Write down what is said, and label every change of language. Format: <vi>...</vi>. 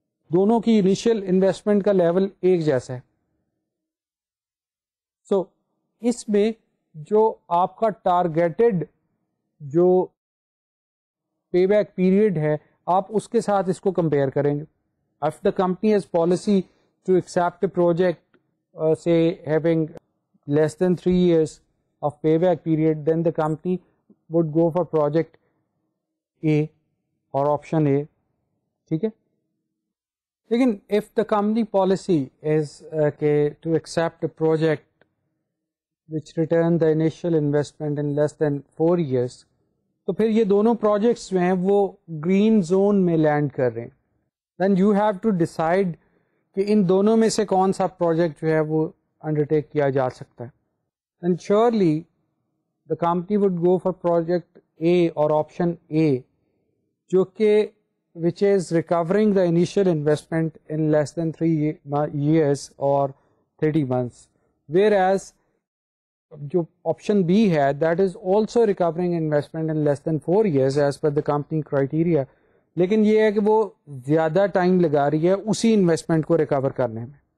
<hi>दोनों की initial investment का लेवल एक जैसा है. सो इसमें जो आपका टारगेटेड जो पेबैक पीरियड है, आप उसके साथ इसको कंपेयर करेंगे.</hi> <en>If the company has policy to accept project से having less than 3 years of payback period, then the company would go for project A or option A.</en> <hi>ठीक है, लेकिन</hi> <en>if the company policy is to accept a project which return the initial investment in less than 4 years,</en> <hi>तो फिर ये दोनों projects जो हैं वो green zone में land कर रहे हैं.</hi> <en>Then you have to decide</en> <hi>कि इन दोनों में से कौन सा प्रोजेक्ट जो है वो अंडरटेक किया जा सकता है.</hi> <en>and surely the company would go for project A और option A,</en> <hi>जो कि</hi> <en>which is recovering the initial investment in less than 3 years और 30 months, where as</en> <hi>जो ऑप्शन बी है</hi> <en>that is also recovering investment in less than 4 years as per the company criteria,</en> <hi>लेकिन ये है कि वो ज़्यादा टाइम लगा रही है उसी इन्वेस्टमेंट को रिकवर करने में.</hi>